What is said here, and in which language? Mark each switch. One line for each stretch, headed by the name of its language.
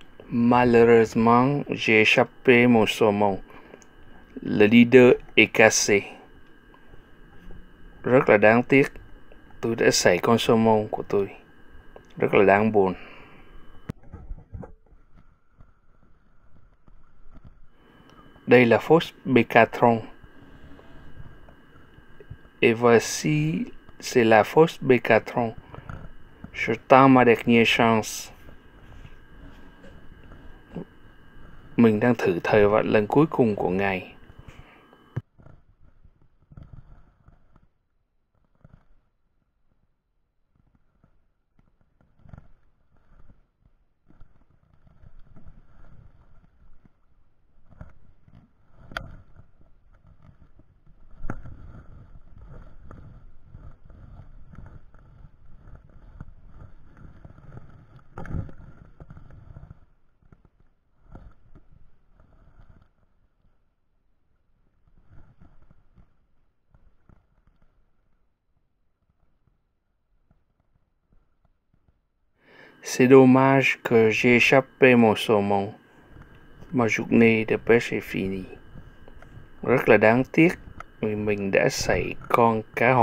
French: Malheureusement, j'ai échappé mon saumon. Le leader est cassé.
Vietnamese: Rất là đáng tiếc, tôi đã xảy con saumon của tôi. Rất là đáng buồn. Đây là fosse Bécatron.
French: Et voici, c'est la fosse Bécatron. Je tente ma dernière chance.
Vietnamese: Mình đang thử thời vận lần cuối cùng của ngài.
French: C'est dommage que j'ai échappé mon saumon. Ma journée de pêche est finie.
Vietnamese: Rất là đáng tiếc vì mình đã sảy con cá hồi của mình. Và ngày hôm nay tới giờ mình